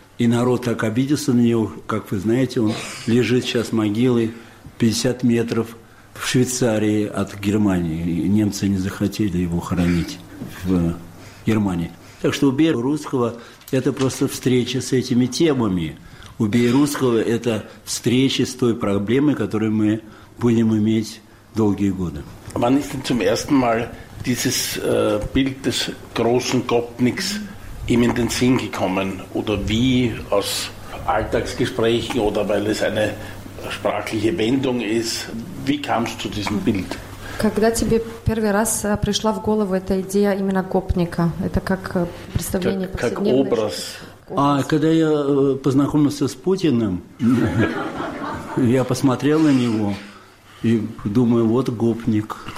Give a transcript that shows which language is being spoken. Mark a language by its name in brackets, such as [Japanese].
[Russian] И народ так обиделся на него, как вы знаете, он лежит сейчас в могиле 50 метров в Швейцарии от Германии. Немцы не захотели его хоронить в Германии. Так что «Убей русского» – это просто встреча с этими темами. «Убей русского» – это встреча с той проблемой, которую мы будем иметь долгие годы. [German] Wann ist denn zum ersten Mal dieses Bild des großen Gopniks ihm in den Sinn gekommen? Oder wie, aus Alltagsgesprächen oder weil es eine sprachliche Wendung ist? Wie kamst du zu diesem Bild? [Russian] Когда тебе первый раз пришла в голову эта идея именно гопника? Это как представление повседневное? Как образ. А когда я познакомился с Путиным, я посмотрел на него и думаю, вот гопник.